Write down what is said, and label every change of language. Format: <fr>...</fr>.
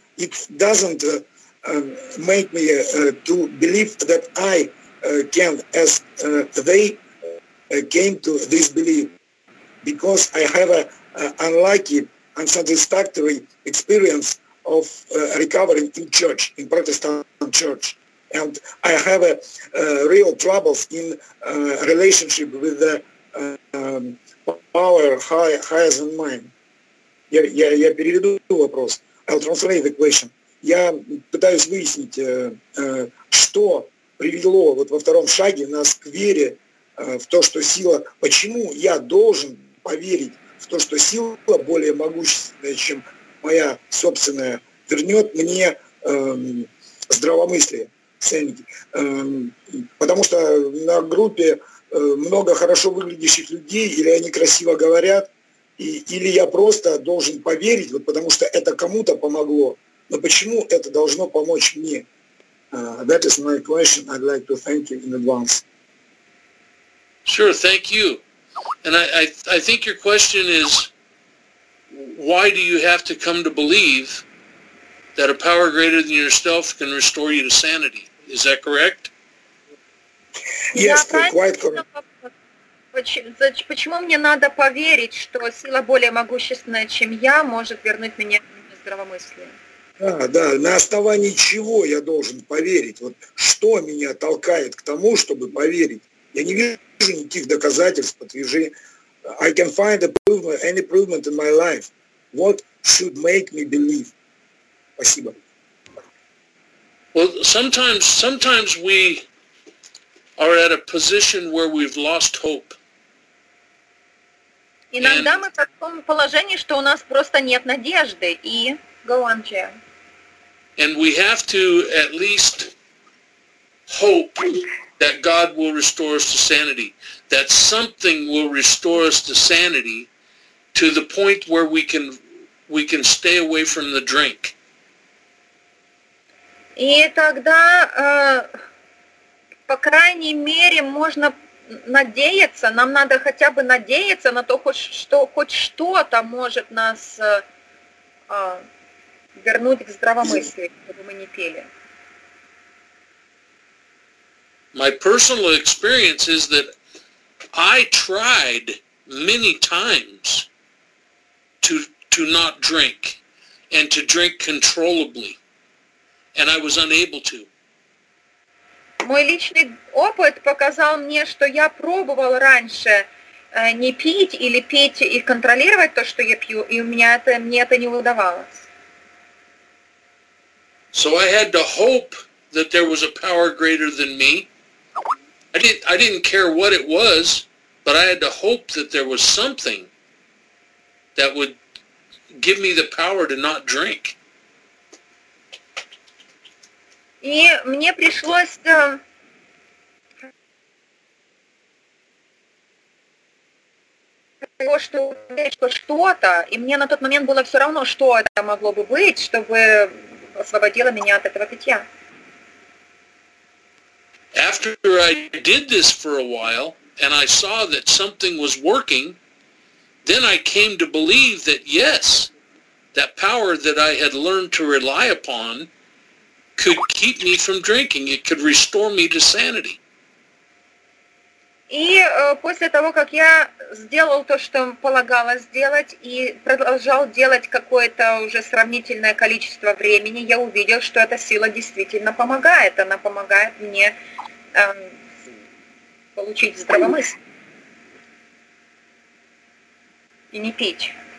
<en>It doesn't make me to believe that I can, as they came to this belief, because I have an unlucky, unsatisfactory experience of recovering in church, in Protestant church. And I have real troubles in relationship with the power higher than mine.</en> <ru>Я переведу вопрос.</ru> <en>I'll translate the question.</en> <ru>Я пытаюсь выяснить, что привело вот во втором шаге нас к вере в то, что сила... Почему я должен поверить в то, что сила более могущественная, чем моя собственная, вернет мне здравомыслие, sanity. Потому что на группе много хорошо выглядящих людей, или они красиво говорят, или я просто должен поверить, вот потому что это кому-то помогло. Но почему это должно помочь мне?</ru> <en>That is my question. I'd like to thank you in advance. Sure, thank you. And I think your question is, why do you have to come to believe that a power greater than yourself can restore you to sanity? Is that correct? Yes, quite correct.</en> <ru>Почему мне надо поверить, что сила более могущественная, чем я, может вернуть меня на здравомыслие? Да, на основании чего я должен поверить? Вот что меня толкает к тому, чтобы поверить? Я не вижу никаких доказательств, подтверждений.</ru> <en>I can find any improvement in my life. What should make me believe?</en> <ru>Спасибо.</ru> <en>Well, sometimes we are at a position where we've lost hope.</en> <ru>Иногда мы в таком положении, что у нас просто нет надежды.</ru> <en>И go on, Chair. And we have to at least hope that God will restore us to sanity, that something will restore us to sanity to the point where we can stay away from the drink.</en> <ru>И тогда, по крайней мере, можно надеяться, нам надо хотя бы надеяться на то, хоть что-то может нас вернуть к здравомыслию, чтобы мы не пели.</ru> <en>My personal experience is that I tried many times to not drink and to drink controllably, and I was unable to.</en> <ru>Мой личный опыт показал мне, что я пробовал раньше не пить или пить и контролировать то, что я пью, и мне это не удавалось.</ru> <en>So I had to hope that there was a power greater than me. I didn't care what it was, but I had to hope that there was something that would give me the power to not drink.</en> <ru>И мне пришлось что-то, и мне на тот момент было все равно, что это могло бы быть, чтобы освободило меня от этого питья.</ru> <en>After I did this for a while, and I saw that something was working, then I came to believe that, yes, that power that I had learned to rely upon could keep me from drinking. It could restore me to sanity.</en> <ru>И после того, как я сделал то, что полагалось сделать, и продолжал делать какое-то уже сравнительное количество времени, я увидел, что эта сила действительно помогает. Она помогает мне получить здравомыслие и не пить.</ru>